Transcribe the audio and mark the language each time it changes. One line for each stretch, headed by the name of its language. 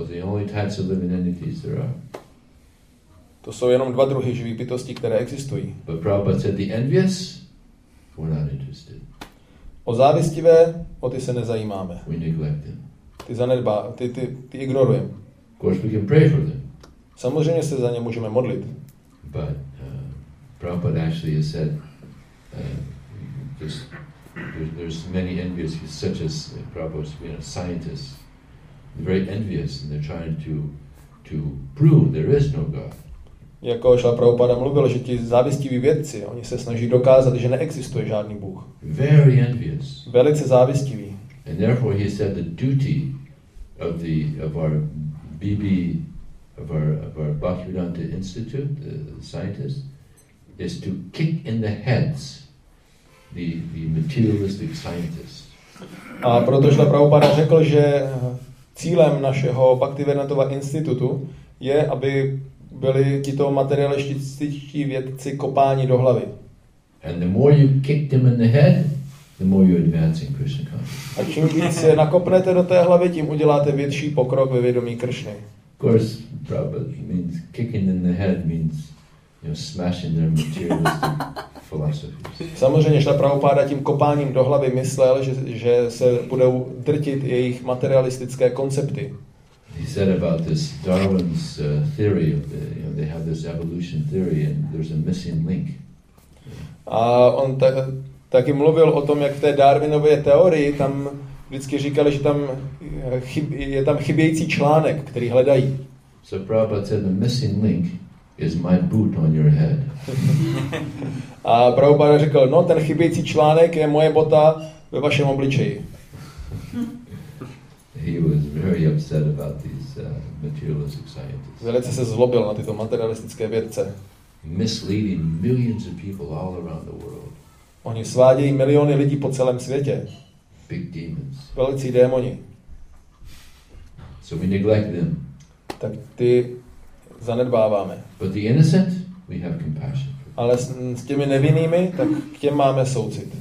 English: Those are the only types of living entities there are.
Czech: To jsou jenom dva druhy živých bytostí, které existují.
English: But Prabhupada said the envious, we're not interested.
Czech: O závistivé, o ty se nezajímáme.
English: We neglect them.
Czech: Ty zanedbáváme, ty ignorujeme.
English: Of course we can pray for them.
Czech: Samozřejmě se za ně můžeme modlit.
English: But Prabhupada actually has said there's many envious, such as Prabhupada's, you know, scientists. They're very envious and they're trying to prove there is no God.
Czech: Jako Šla Prabhupada mluvil, že ti závistiví vědci, oni se snaží dokázat, že neexistuje žádný Bůh.
English: Very envious.
Czech: Velice závistiví.
English: And therefore he said the duty of the of our BB of our of our Bhaktivedanta Institute, the scientists, is to kick in the heads the materialistic scientists.
Czech: A proto Šla Prabhupada řekl, že cílem našeho Bhaktivedantova institutu je, aby byli tito materialističtí vědci kopáni do hlavy.
English: And the more you kick them in the head, the more you advance in Krishna consciousness.
Czech: A čím víc se nakopnete do té hlavy, tím uděláte větší pokrok ve vědomí Kršny.
English: Of course, probably means kicking in the head means, you know, smashing their materialistic philosophies.
Czech: Samozřejmě, že Prabhupáda tím kopáním do hlavy myslel, že se budou drtit jejich materialistické koncepty.
English: He said about this Darwin's theory of the, you know, they have this evolution theory and there's a missing link.
Czech: A on taky mluvil o tom, jak v té Darwinově teorii tam vždycky říkali, že tam je tam chybějící článek, který hledají.
English: So Prabhupada said the missing link is my boot on your head.
Czech: A Prabhupada řekl, no, ten chybějící článek je moje bota ve vašem obličeji.
English: He was very upset about these materialistic scientists.
Czech: Velice se zlobil na tyto materialistické vědce.
English: Misleading millions of people all around the world.
Czech: Oni svádějí miliony lidí po celém světě.
English: Big demons.
Czech: Velcí démoni.
English: So we neglect them.
Czech: Tak ty zanedbáváme.
English: But the innocent, we have compassion.
Czech: Ale s těmi nevinnými, tak k těm máme soucit.